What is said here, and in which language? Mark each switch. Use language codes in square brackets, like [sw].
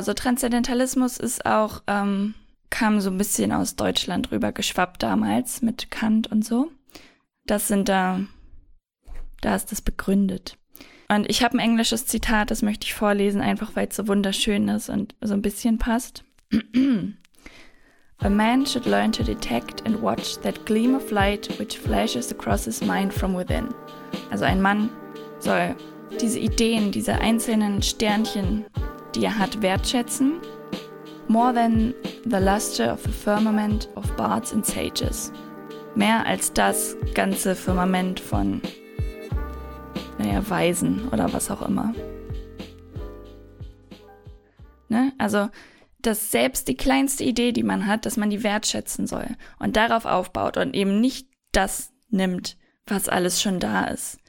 [de] So Transzendentalismus ist auch, kam so ein bisschen aus Deutschland rüber geschwappt damals mit Kant und so. Das sind da, da ist das begründet. Und ich habe ein englisches Zitat, das möchte ich vorlesen, einfach weil es so wunderschön ist und so ein bisschen passt. [en] A man should learn to detect and watch that gleam of light which flashes across his mind from within. [de] Also ein Mann soll diese Ideen, diese einzelnen Sternchen, die er hat, wertschätzen. [en] More than the luster of the firmament of bards and sages. [de] Mehr als das ganze Firmament von, naja, Weisen oder was auch immer. Ne? Also, dass selbst die kleinste Idee, die man hat, dass man die wertschätzen soll und darauf aufbaut und eben nicht das nimmt, was alles schon da ist.